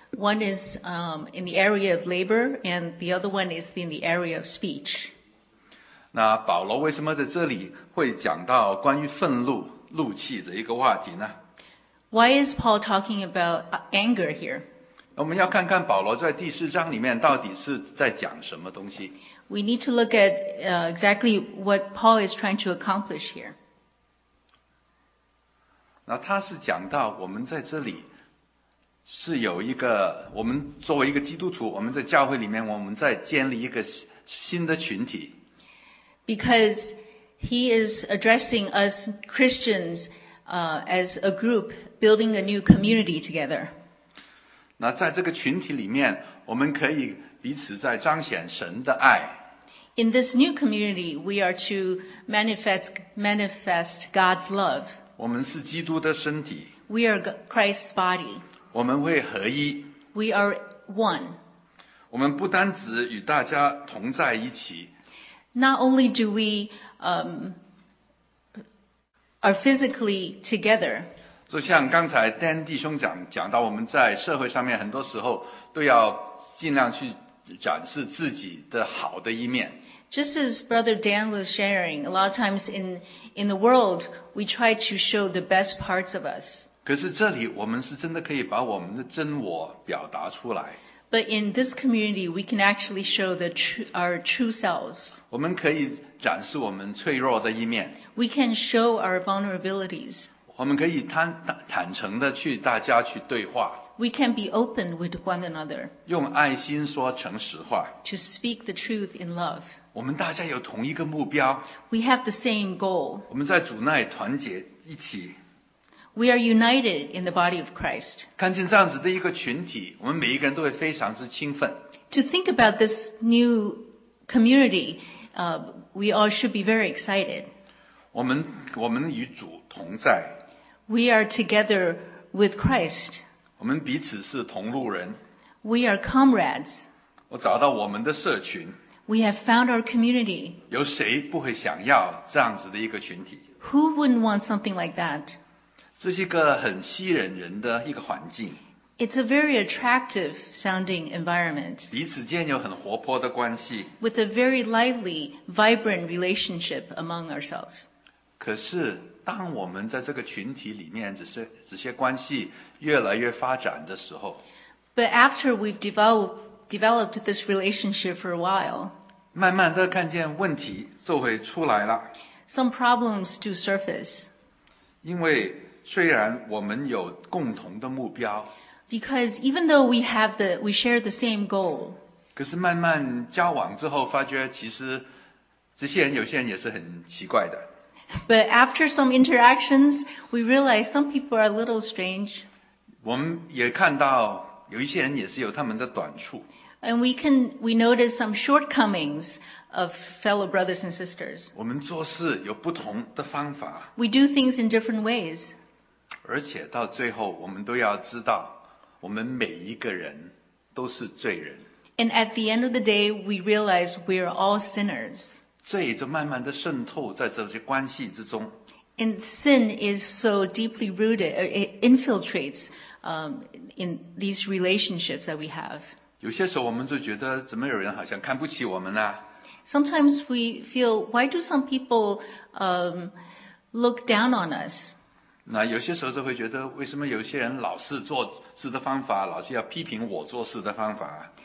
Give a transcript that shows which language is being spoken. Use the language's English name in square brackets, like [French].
[English] One is in the area of labor, and the other one is in the area of speech. [Chinese] 那保罗为什么在这里会讲到关于愤怒、怒气这一个话题呢？ [English] Why is Paul talking about anger here? [Chinese] 我们要看看保罗在第四章里面到底是在讲什么东西。 [English] We need to look at exactly what Paul is trying to accomplish here. [Chinese] 那他是讲到我们在这里是有一个，我们作为一个基督徒，我们在教会里面，我们在建立一个新的群体。 [English] Because he is addressing us Christians as a group, building a new community together. [Chinese] 那在这个群体里面，我们可以彼此在彰显神的爱。 [English] In this new community, we are to manifest God's love. [Chinese] 我们是基督的身体。 [English] We are Christ's body. [Chinese] 我们会合一。 [English] We are one. [Chinese] 我们不单只与大家同在一起。 [English] Not only do we are physically together. [Chinese] 就像刚才 Dan 弟兄讲到，我们在社会上面很多时候都要尽量去展示自己的好的一面。 [English] Just as Brother Dan was sharing, a lot of times in the world, we try to show the best parts of us. [Chinese] 可是这里我们是真的可以把我们的真我表达出来。 [English] But in this community, we can actually show the our true selves. [Chinese] 我们可以展示我们脆弱的一面。 [English] We can show our vulnerabilities. [Chinese] 我们可以坦诚地去大家去对话。 [English] We can be open with one another. [Chinese] 用爱心说诚实话。 [English] To speak the truth in love. [Chinese] 我们大家有同一个目标。 [English] We have the same goal. [Chinese] 我们在主内团结一起。 [English] We are united in the body of Christ. [Chinese] 看见这样子的一个群体，我们每一个人都会非常之兴奋。 [English] To think about this new community, we all should be very excited. [Chinese] 我们与主同在。 [English] We are together with Christ. [Chinese] 我们彼此是同路人。 [English] We are comrades. [Chinese] 我找到我们的社群。 [English] We have found our community. [Chinese] 有谁不会想要这样子的一个群体？ [English] Who wouldn't want something like that? [Chinese] 这是一个很吸引人的一个环境。 [English] It's a very attractive sounding environment. [Chinese] 彼此间有很活泼的关系。 [English] With a very lively, vibrant relationship among ourselves. [Chinese] 可是，当我们在这个群体里面，这些关系越来越发展的时候 [English] ，But after we've developed this relationship for a while， [Chinese] 慢慢的看见问题就会出来了。 [English] Some problems do surface. [Chinese] 因为虽然我们有共同的目标 [English] ，because even though we share the same goal， [Chinese] 可是慢慢交往之后，发觉其实这些人有些人也是很奇怪的。 [English] But after some interactions, we realize some people are a little strange. [Chinese] 我们也看到有一些人也是有他们的短处。 [English] And we notice some shortcomings of fellow brothers and sisters. [Chinese] 我们做事有不同的方法。 [English] We do things in different ways. [Chinese] 而且到最后我们都要知道我们每一个人都是罪人。 [English] And at the end of the day, we realize we are all sinners. [Chinese] 罪就慢慢地渗透在这些关系之中。 [English] And sin is so deeply rooted, it infiltrates, in these relationships that we have. [Chinese] 有些时候我们就觉得怎么有人好像看不起我们啊。 [English] Sometimes we feel, why do some people, look down on us? [Chinese] 那有些时候就会觉得为什么有些人老是做事的方法老是要批评我做事的方法